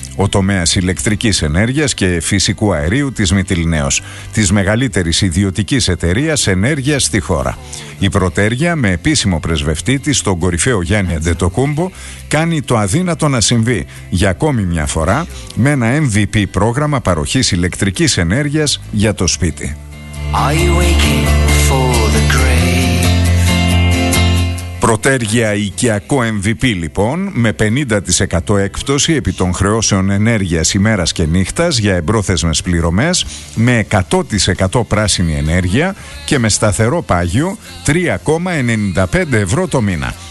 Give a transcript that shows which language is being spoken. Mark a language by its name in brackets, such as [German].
[Greek] Ο τομέας ηλεκτρικής ενέργειας και φυσικού αερίου της Μυτιλινέως, της μεγαλύτερης ιδιωτικής εταιρείας ενέργειας στη χώρα. Η Πρωτέρια, με επίσημο πρεσβευτή της, τον κορυφαίο Γιάννη Αντετοκούμπο, κάνει το αδύνατο να συμβεί, για ακόμη μια φορά, με ένα MVP πρόγραμμα παροχής ηλεκτρικής ενέργειας για το σπίτι. [English] Are you waking for the grave? [Greek] Πρωτέρια οικιακό MVP λοιπόν, με 50% έκπτωση επί των χρεώσεων ενέργειας ημέρας και νύχτας για εμπρόθεσμες πληρωμές, με 100% πράσινη ενέργεια και με σταθερό πάγιο 3,95 ευρώ το μήνα.